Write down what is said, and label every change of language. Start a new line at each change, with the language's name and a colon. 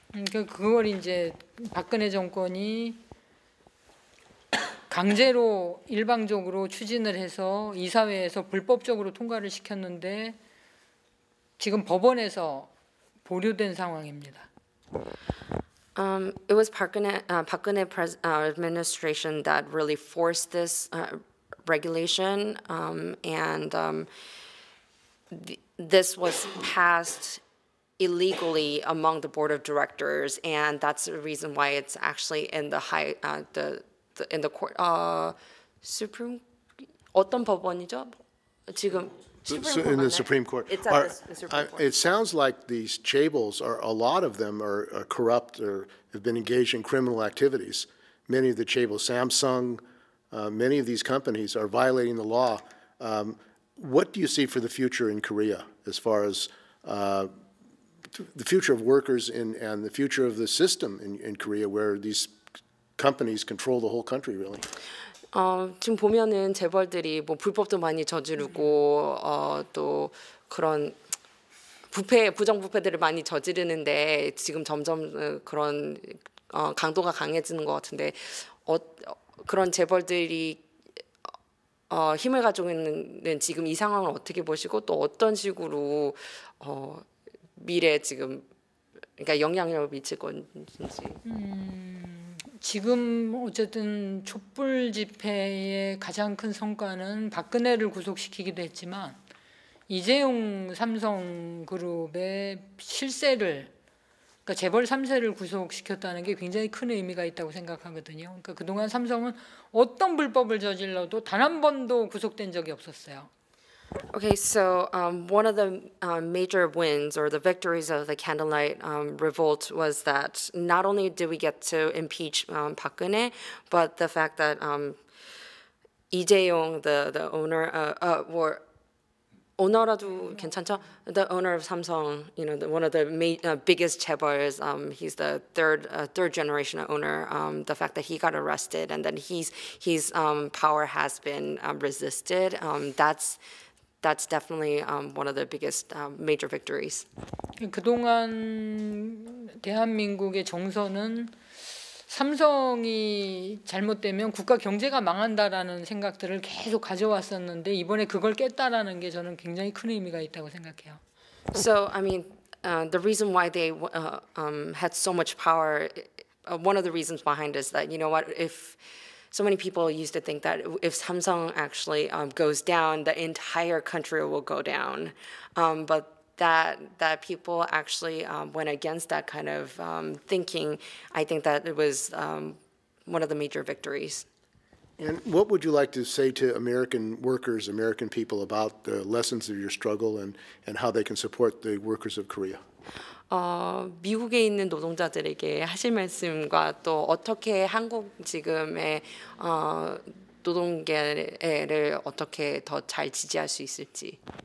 Korean: 그걸 이제 박근혜 정권이 강제로 일방적으로 추진을 해서 이사회에서 불법적으로 통과를 시켰는데 지금 법원에서 보류된 상황입니다.
English: It was Park Geun-hye administration that really forced this regulation and this was passed illegally among the board of directors and that's the reason why it's actually in the high the in the court, Supreme,
Korean: 어떤 법원이죠? 지금
English: in the Supreme Court. It's at the Supreme Court. It sounds like these chaebols are a lot of them are corrupt or have been engaged in criminal activities. Many of the chaebols, Samsung, many of these companies are violating the law. What do you see for the future in Korea as far as the future of workers in and the future of the system in Korea, where these companies control the whole country, really.
Korean: 지금 보면은 재벌들이 뭐 불법도 많이 저지르고 또 그런 부패 부정부패들을 많이 저지르는데 지금 점점 그런 강도가 강해지는 것 같은데 그런 재벌들이 힘을 가지고 있는 지금 이 상황을 어떻게 보시고 또 어떤 식으로 미래 지금 그러니까 영향력을 미칠 건지. 지금 어쨌든 촛불 집회의 가장 큰 성과는 박근혜를 구속시키기도 했지만 이재용 삼성그룹의 실세를 그러니까 재벌 3세를 구속시켰다는 게 굉장히 큰 의미가 있다고 생각하거든요. 그러니까 그동안 삼성은 어떤 불법을 저질러도 단 한 번도 구속된 적이 없었어요.
English: Okay, so one of the major wins or the victories of the Candlelight Revolt was that not only did we get to impeach Park Geun-hye, but the fact that Lee Jae-yong, the owner, or
Korean: 오너라도 괜찮죠?
English: The owner of Samsung, you know, one of the biggest 재벌s, he's the third generation owner. The fact that he got arrested and then his power has been resisted, that's definitely one of the biggest major victories.
Korean: 그동안 대한민국의 정서는 삼성이 잘못되면 국가 경제가 망한다라는 생각들을 계속 가져왔었는데 이번에 그걸 깼다라는 게 저는 굉장히 큰 의미가 있다고 생각해요.
English: So I mean the reason why they had so much power one of the reasons behind is that you know what if So many people used to think that if Samsung actually goes down, the entire country will go down. But that people actually went against that kind of thinking, I think that it was one of the major victories. And what would you like to say to American workers, American people about the lessons of your struggle and how they can support the workers of Korea?
Korean: 미국에 있는 노동자들에게 하실 말씀과 또 어떻게 한국 지금의 노동계를 어떻게 더 잘 지지할 수 있을지.